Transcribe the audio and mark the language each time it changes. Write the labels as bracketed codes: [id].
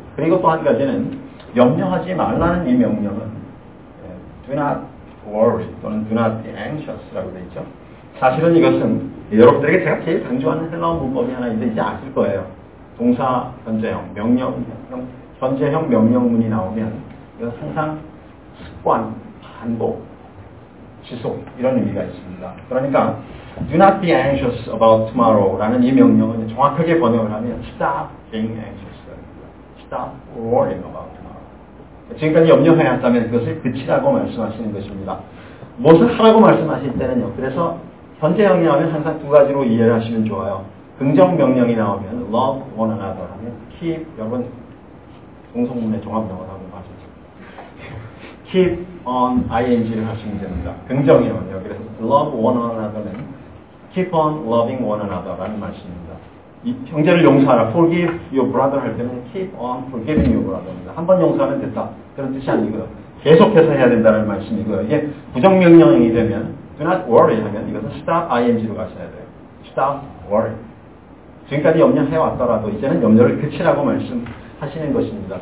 [ko] 그리고 또 한 가지는 염려하지 말라는 이 명령은 [en] Do not worry [ko] 또는 [en] Do not be anxious [ko] 라고 되어 있죠. 사실은 이것은 여러분들에게 제가 제일 강조하는 헬라어 문법이 하나 있는데 이제 아실 거예요. 동사 현재형 명령형 현재형 명령문이 나오면 이건 항상 습관, 반복, 지속 이런 의미가 있습니다. [en] 그러니까 Do not be anxious about tomorrow [ko] 라는 이 명령은 정확하게 번역을 하면 [en] Stop being anxious. Stop worrying about tomorrow. [ko] 지금까지 염려하였다면 그것을 그치라고 말씀하시는 것입니다. 무엇을 하라고 말씀하실 때는요. 그래서 현재형이 나오면 항상 두 가지로 이해를 하시면 좋아요. 긍정 명령이 나오면 [en] love one another [ko] 하면 keep 여러분 동성문의 종합 명언하고 맞으시죠? [en] keep on ing [ko] 를 하시면 됩니다. 긍정이요. 그래서 [en] love one another [ko] 는 [en] keep on loving one another [ko] 라는 말씀입니다. 이 형제를 용서하라. [en] forgive your brother [ko] 할 때는 [en] keep on forgiving your brother [ko] 입니다. 한번 용서하면 됐다. 그런 뜻이 아니고요. 계속해서 해야 된다는 말씀이고요. 이게 부정명령이 되면 [en] do not worry [ko] 하면 이것은 [en] stop ing [ko] 로 가셔야 돼요. [en] stop worry. [ko] 지금까지 염려해왔더라도 이제는 염려를 그치라고 말씀하시는 것입니다.